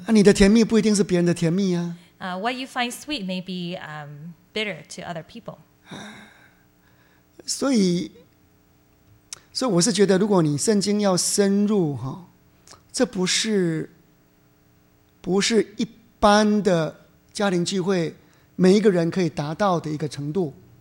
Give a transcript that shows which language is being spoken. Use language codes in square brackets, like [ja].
[zh] 你的甜蜜不一定是别人的甜蜜啊。 [en] What you find sweet may be bitter to other people. [zh] 所以我是觉得，如果你圣经要深入，这不是一般的家庭聚会每一个人可以达到的一个程度。